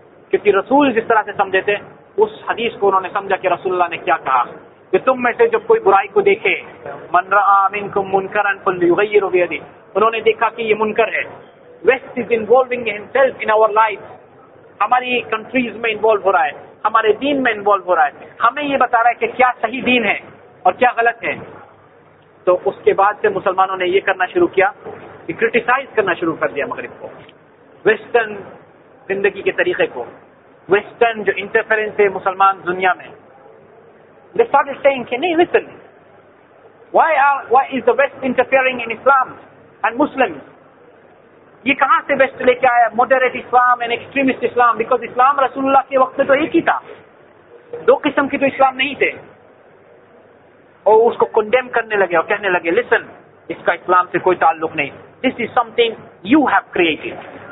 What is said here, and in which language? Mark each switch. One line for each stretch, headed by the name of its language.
Urdu: کیونکہ رسول جس طرح سے سمجھے تھے اس حدیث کو انہوں نے سمجھا کہ رسول اللہ نے کیا کہا کہ تم میں سے جب کوئی برائی کو دیکھے,
Arabic: من رآ منکم منکرن فلیغیر بیدی,
Urdu: انہوں نے دیکھا کہ یہ منکر ہے,
English: west is involving himself in our life,
Urdu: ہماری کنٹریز میں انوالو ہو رہا ہے, ہمارے دین میں انوالو ہو رہا ہے, ہمیں یہ بتا رہا ہے کہ کیا صحیح دین ہے اور کیا غلط ہے. تو اس کے بعد سے مسلمانوں نے یہ کرنا شروع کیا کہ کرٹیسائز کرنا شروع کر دیا مغرب کو, ویسٹرن زندگی کے طریقے کو, ویسٹرن جو انٹرفیرنس ہے مسلمان دنیا میں.
English: They started saying, hey, listen, why is the West interfering in Islam and Muslims?
Urdu: یہ کہاں سے ویسٹ لے کے آیا,
English: moderate Islam and extremist Islam, because Islam
Urdu: رسول اللہ کے وقت میں تو ایک ہی تھا, دو قسم کے تو اسلام نہیں تھے. اور اس کو کنڈیم کرنے لگے اور کہنے لگے, لسن, اس کا اسلام سے کوئی تعلق نہیں,
English: This is something you have created.